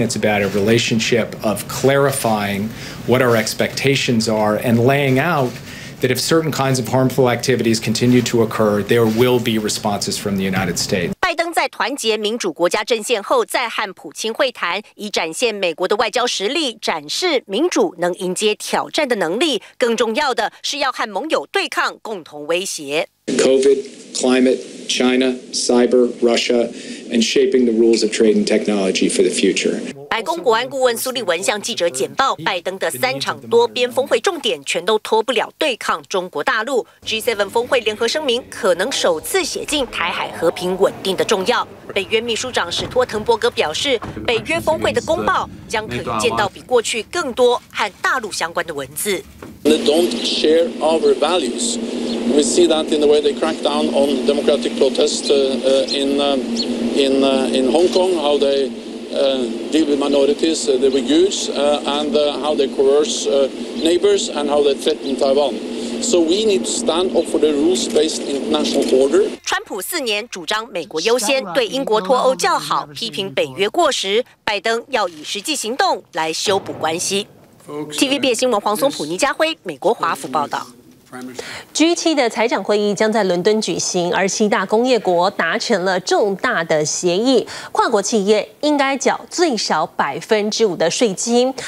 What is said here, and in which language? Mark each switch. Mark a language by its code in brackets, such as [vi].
[en] It's about a relationship of clarifying what our expectations are and laying out that if certain kinds of harmful activities continue to occur, there will be responses from the United States. [zh] 拜登在团结民主国家阵线后再和普京会谈，以展现美国的外交实力，展示民主能迎接挑战的能力，更重要的是要和盟友对抗共同威胁。 [en] COVID, climate, China, cyber, Russia, and shaping the rules of trade and technology for the future. [zh] 白宫国安顾问苏利文向记者简报，拜登的三场多边峰会重点全都脱不了对抗中国大陆。 G7 峰会联合声明可能首次写进台海和平稳定的重要。北约秘书长史托滕伯格表示，北约峰会的公报将可以见到比过去更多和大陆相关的文字。 [en] They don't share our values. We see that in the way they crack down on democratic protest in Hong Kong, how theydeal with minorities, the Uyghurs, and how they coerce neighbors and how they threaten Taiwan. So we need to stand up for the rules-based international order. [zh] 川普4年主张美国优先，对英国脱欧叫好，批评北约过时。拜登要以实际行动来修补关系。TVBS 新闻黄松浦、倪家辉，美国华府报道。 G7 的财长会议将在伦敦举行，而七大工业国达成了重大的协议，跨国企业应该缴最少5%的税金。